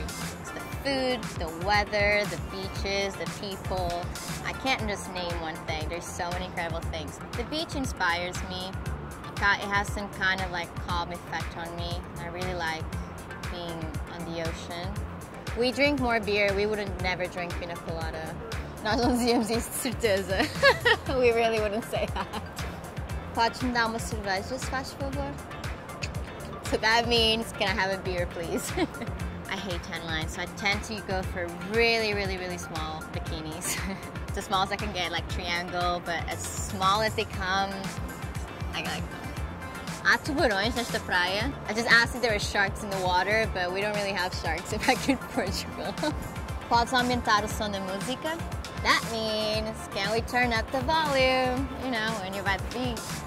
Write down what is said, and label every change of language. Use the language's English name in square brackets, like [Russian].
[English] It's the food, the weather, the beaches, the people. I can't just name one thing. There's so many incredible things. The beach inspires me. It has some kind of like calm effect on me. I really like being on the ocean. We drink more beer. We would never drink pina colada. [Portuguese] Nós não dizíamos isso de certeza. [English] We really wouldn't say that. [Portuguese] Pode-me dar uma cerveja, se faz favor? [English] So that means, can I have a beer, please? I hate tan lines, so I tend to go for really, really, really small bikinis. It's as small as I can get, like triangle, but as small as they come, I like them. [Portuguese] Há tubarões nesta praia? [English] I just asked if there were sharks in the water, but we don't really have sharks back in Portugal. [Portuguese] Podes aumentar o som da música? [English] That means, can we turn up the volume, you know, when you're by the beach?